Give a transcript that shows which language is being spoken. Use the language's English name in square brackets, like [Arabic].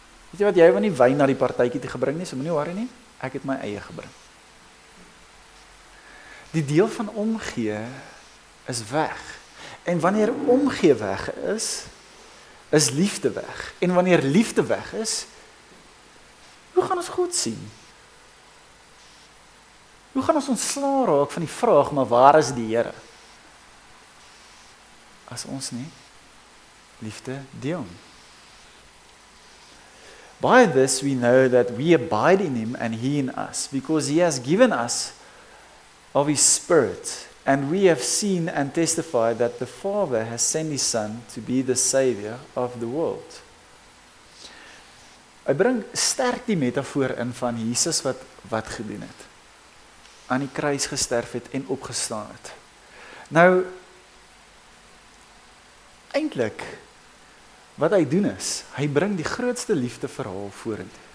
[Afrikaans] Weet jy wat, jy wou nie wyn na die partytjie te gebring nie, so moenie worry nie, ek het my eie gebring. Die deel van omgee is weg. En wanneer omgee weg is, is liefde weg. En wanneer liefde weg is, hoe gaan ons God sien? Hoe gaan ons ontslaan raak van die vraag, maar waar is die Here? As ons nie liefde deel. [English] By this we know that we abide in him and he in us, because he has given us of his spirit, and we have seen and testified that the Father has sent his son to be the savior of the world. [Afrikaans] Hy bring sterk die metafoor in van Jesus wat gedoen het. Aan die kruis gesterf het en opgestaan het. Nou, eintlik, wat hy doen is, hy bring die grootste liefdeverhaal vorentoe.